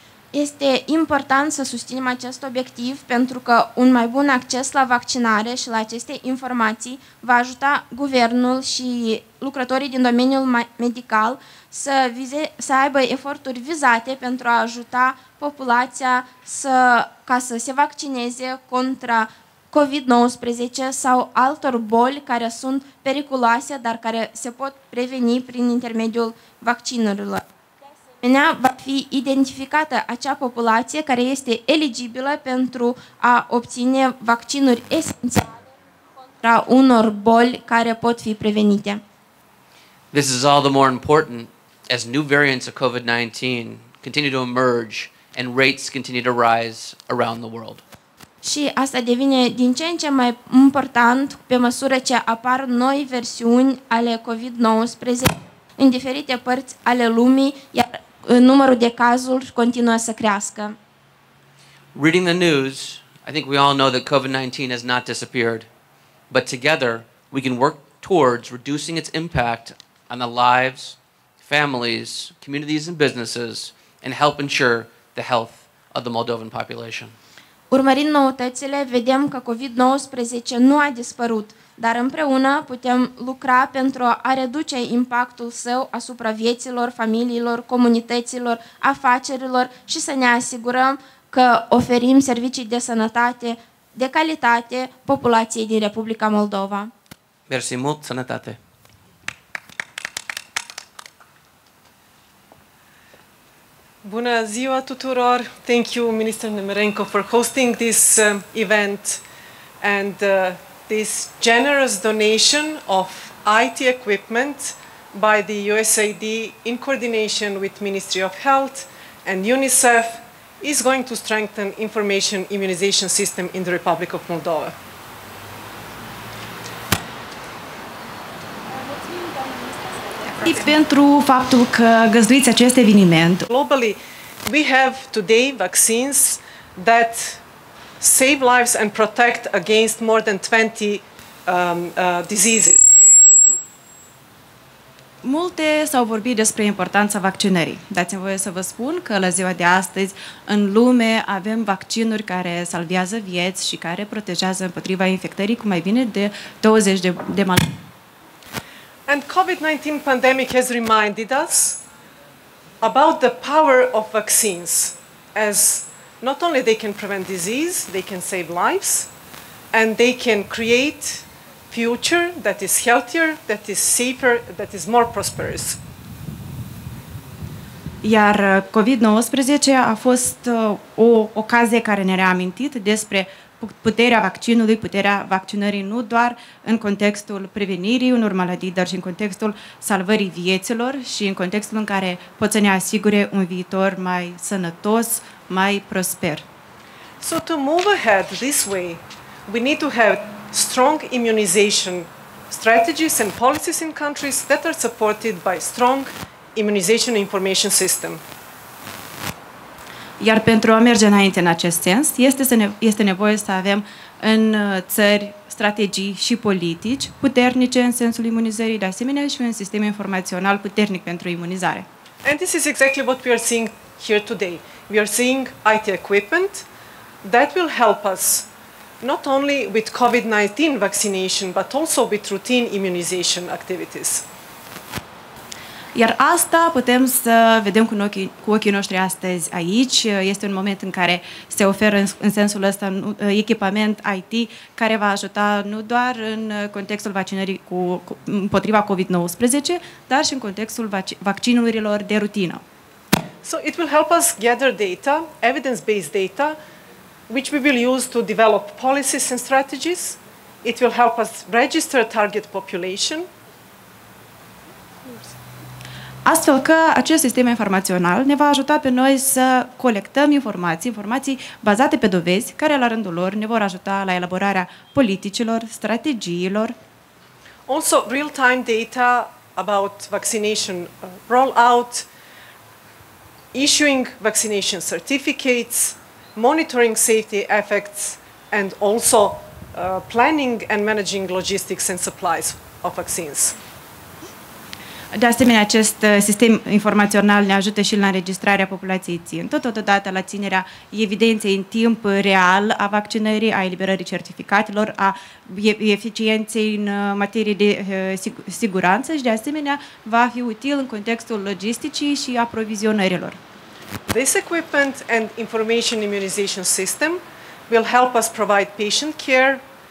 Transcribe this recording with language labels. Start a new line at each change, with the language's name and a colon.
Romanian: Este important să susținem acest obiectiv pentru că un mai bun acces la vaccinare și la aceste informații va ajuta guvernul și lucrătorii din domeniul medical să aibă eforturi vizate pentru a ajuta populația ca să se vaccineze contra COVID-19 sau altor boli care sunt periculoase, dar care se pot preveni prin intermediul vaccinurilor. Menea va fi identificată acea populație care este eligibilă pentru a obține vaccinuri esențiale contra unor boli care pot fi prevenite.
English: This is all the more important as new variants of COVID-19 continue to emerge and rates continue to rise around the world.
Romanian: Și asta devine din ce în ce mai important pe măsură ce apar noi versiuni ale COVID-19 în diferite părți ale lumii, iar numărul de cazuri continuă să crească.
English: Reading the news, I think we all know that COVID-19 has not disappeared, but together we can work towards reducing its impact on the lives, families, communities and businesses and help ensure the health of the Moldovan population.
Romanian: Urmărind noutățile, vedem că COVID-19 nu a dispărut, dar împreună putem lucra pentru a reduce impactul său asupra vieților, familiilor, comunităților, afacerilor și să ne asigurăm că oferim servicii de sănătate de calitate populației din Republica Moldova. Mersi mult, sănătate! Bună ziua tuturor.
English: Thank you, Minister Nemirenko, for hosting this event and this generous donation of IT equipment by the USAID in coordination with Ministry of Health and UNICEF is going to strengthen information immunization system in the Republic of Moldova.
Romanian: Pentru faptul că găzduiți acest eveniment.
English: Globally, we have today vaccines that save lives and protect against more than 20 diseases.
Romanian: Multe s-au vorbit despre importanța vaccinării. Dați-mi voie să vă spun că la ziua de astăzi, în lume, avem vaccinuri care salvează vieți și care protejează împotriva infectării cu mai bine de 20 de maladii.
English: And COVID-19 pandemic has reminded us about the power of vaccines, as not only they can prevent disease, they can save lives, and they can create future that is healthier, that is safer, that is more prosperous.
Romanian: Iar COVID-19 a fost o ocazie care ne-a reamintit despre puterea vaccinului, puterea vaccinării nu doar în contextul prevenirii unor maladii, dar și în contextul salvării vieților și în contextul în care pot să ne asigure un viitor mai sănătos, mai prosper.
English: So to move ahead this way, we need to have strong immunization strategies and policies in countries that are supported by strong immunization information system.
Romanian: Iar pentru a merge înainte în acest sens, este nevoie să avem în țări strategii și politici puternice în sensul imunizării, de asemenea și un sistem informațional puternic pentru imunizare.
English: And this is exactly what we are seeing here today. We are seeing IT equipment that will help us not only with COVID-19 vaccination, but also with routine immunization activities.
Romanian: Iar asta putem să vedem cu ochii noștri astăzi aici. Este un moment în care se oferă în sensul ăsta echipament IT care va ajuta nu doar în contextul vaccinării împotriva COVID-19, dar și în contextul vaccinurilor de rutină.
English: So it will help us gather data, evidence-based data, which we will use to develop policies and strategies. It will help us register target population.
Romanian: Astfel că acest sistem informațional ne va ajuta pe noi să colectăm informații bazate pe dovezi, care la rândul lor ne vor ajuta la elaborarea politicilor, strategiilor.
English: Also real-time data about vaccination rollout, issuing vaccination certificates, monitoring safety effects and also planning and managing logistics and supplies of vaccines.
Romanian: De asemenea, acest sistem informațional ne ajută și la înregistrarea populației țintă, totodată la ținerea evidenței în timp real a vaccinării, a eliberării certificatelor, a eficienței în materie de siguranță și, de asemenea, va fi util în contextul logisticii și aprovizionărilor.
English: This equipment and information immunization system will help us provide patient care.